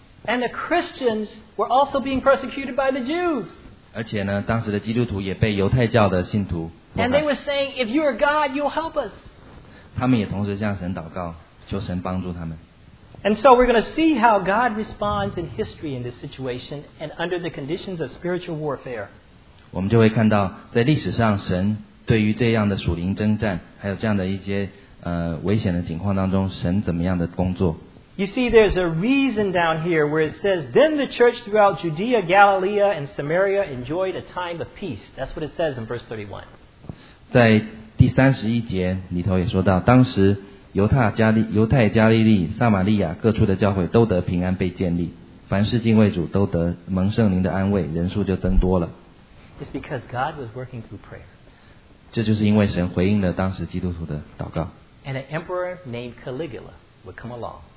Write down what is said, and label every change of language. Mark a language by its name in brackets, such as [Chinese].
[English] And the Christians were also being persecuted by the Jews. [Chinese] 而且呢，当时的基督徒也被犹太教的信徒。 [English] And they were saying, "If you are God, you'll help us." [Chinese] 他们也同时向神祷告，求神帮助他们。 [English] And so we're going to see how God responds in history in this situation and under the conditions of spiritual warfare. [Chinese] 我们就会看到在历史上神。对于这样的属灵征战，还有这样的一些危险的情况当中，神怎么样的工作 [English] ？You see, there's a reason down here where it says, "Then the church throughout Judea, Galilee, and Samaria enjoyed a time of peace." That's what it says in verse 31. [Chinese] 在第三十一节里头也说到，当时犹太加利利、撒玛利亚各处的教会都得平安被建立，凡事敬畏主都得蒙圣灵的安慰，人数就增多了。 [English] It's because God was working through prayer. [Chinese] 这就是因为神回应了当时基督徒的祷告。 [English] And an emperor named Caligula would come along.